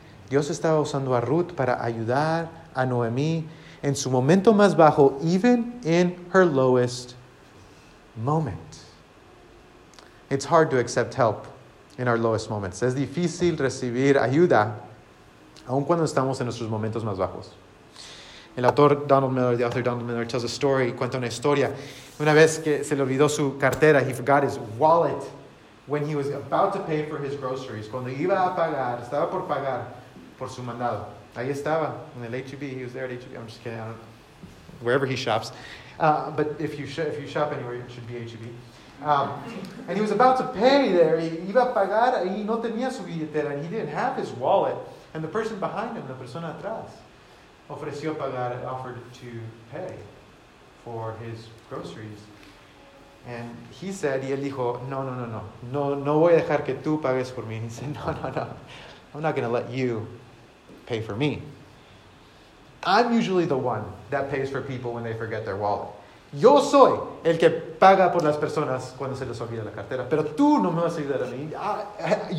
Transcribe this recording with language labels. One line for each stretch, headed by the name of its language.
Spanish: Dios estaba usando a Ruth para ayudar a Noemi en su momento más bajo,
English: even in her lowest moment. It's hard to accept help in our lowest moments.
Spanish: Es difícil recibir ayuda aun cuando estamos en nuestros momentos más bajos.
English: The author Donald Miller tells a story,
Spanish: cuenta una historia. Una vez que se le olvidó su cartera,
English: he forgot his wallet when he was about to pay for his groceries.
Spanish: Cuando iba a pagar, estaba por pagar por su mandado. Ahí estaba, en el HEB.
English: He was there at HEB. I'm just kidding. I don't know. Wherever he shops. But if you shop anywhere, it should be HEB. And he was about to pay there.
Spanish: He iba a pagar y no tenía su billetera.
English: And he didn't have his wallet. And the person behind him, the persona atrás, offered to pay for his groceries. And he said,
Spanish: y él dijo, no voy a dejar que tú pagues por mí.
English: He said, no, I'm not going to let you pay for me. I'm usually the one that pays for people when they forget their wallet.
Spanish: Yo soy el que paga por las personas cuando se les olvida la cartera. Pero tú no me vas a ayudar a mí.